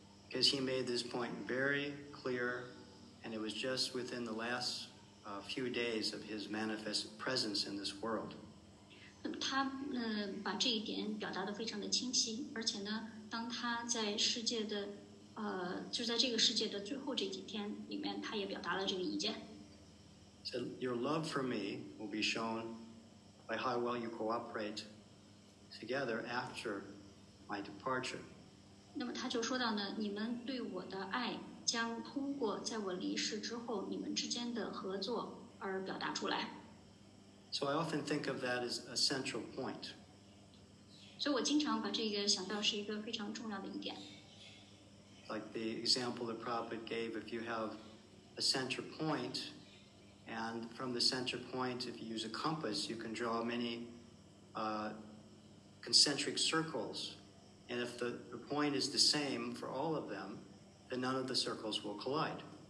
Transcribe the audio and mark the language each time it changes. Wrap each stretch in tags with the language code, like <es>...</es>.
<en>Because he made this point very clear, and it was just within the last few days of his manifest presence in this world.</en> <zh>他把这一点表达得非常的清晰，而且呢，当他在世界的，就在这个世界的最后这几天里面，他也表达了这个意见。</zh> <en>said, your love for me will be shown by how well you cooperate together after my departure.</en> <zh>那么他就说到呢，你们对我的爱将通过在我离世之后你们之间的合作而表达出来。</zh> <en>So I often think of that as a central point.</en> <zh>所以我经常把这个想到是一个非常重要的一点。</zh> <en>Like the example the Prabhupada gave, if you have a center point, and from the center point, if you use a compass, you can draw many concentric circles. And if the point is the same for all of them, then none of the circles will collide.</en>